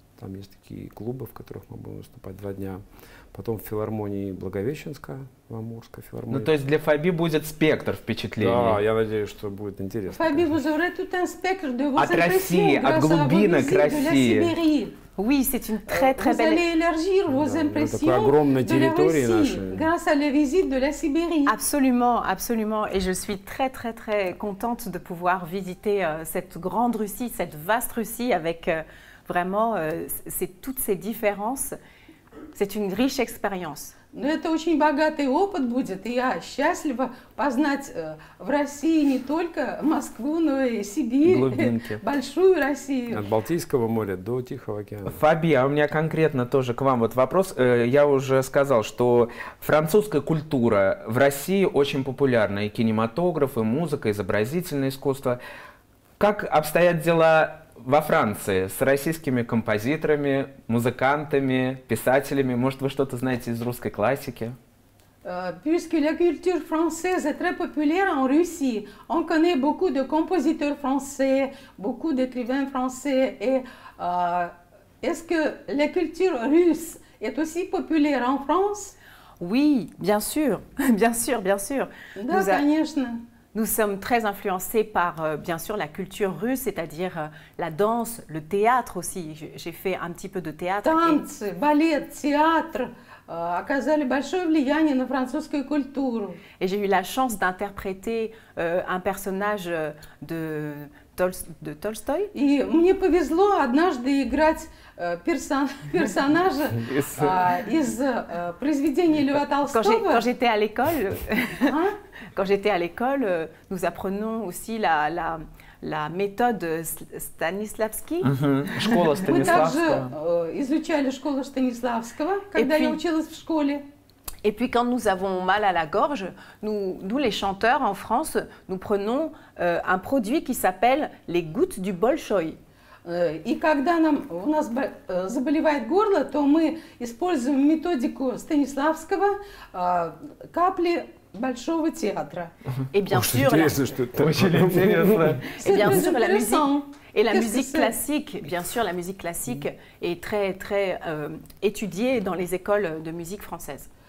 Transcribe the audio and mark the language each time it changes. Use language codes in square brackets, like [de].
[ru] Там есть такие клубы, в которых мы будем выступать 2 дня. Потом в филармонии Благовещенска, в Амурской филармонии. Ну, то есть для Фаби будет спектр впечатлений. Да, я надеюсь, что будет интересно. Фаби, вы уже тут спектр от России, от глубинок России. [fr] Oui, c'est une très très belle. Vous allez élargir vos impressions de la Russie grâce à la visite de la Sibérie. Absolument, absolument. Et je suis très très très contente de pouvoir visiter cette grande Russie, cette vaste Russie avec vraiment toutes ces différences. C'est une riche expérience. [ru] Это очень богатый опыт будет. Я счастлива познать в России не только Москву, но и Сибирь. Глубинки. Большую Россию. От Балтийского моря до Тихого океана. Фаби, а у меня конкретно тоже к вам вот вопрос. Я уже сказал, что французская культура в России очень популярна. И кинематограф, и музыка, изобразительное искусство. Как обстоят дела во Франции с российскими композиторами, музыкантами, писателями? Может, вы что-то знаете из русской классики? [fr] Puisque la culture française est très populaire en Russie, on connaît beaucoup de compositeurs français, beaucoup d'écrivains français. Et est-ce que la culture russe est aussi populaire en France? Oui, bien sûr, bien sûr, bien sûr. [ru] Да, конечно. [fr] Nous sommes très influencés par, bien sûr, la culture russe, c'est-à-dire la danse, le théâtre aussi. J'ai fait un petit peu de théâtre. [ru] Танцы, балет, театр оказали большое влияние на французскую культуру. [fr] Et j'ai eu la chance d'interpréter un personnage de Толстой. [ru] И мне повезло однажды играть персонажа из произведения Льва Толстого. [fr] Quand j'étais à l'école. Quand j'étais à l'école, nous apprenons aussi la méthode Stanislavski. [ru] Школа Станиславского. Мы также изучали школу Станиславского, когда я училась в школе. [fr] Et puis quand nous avons mal à la gorge, nous les chanteurs en France, nous prenons un produit qui s'appelle les gouttes du Bolshoï. [ru] И когда у нас заболевает горло, то мы используем методику Станиславского, капли большого театра. [fr] Et bien sûr, [ru] интересно, что это очень интересно. [fr] Et la musique classique, bien sûr, la musique classique est très très étudiée dans les écoles de musique française.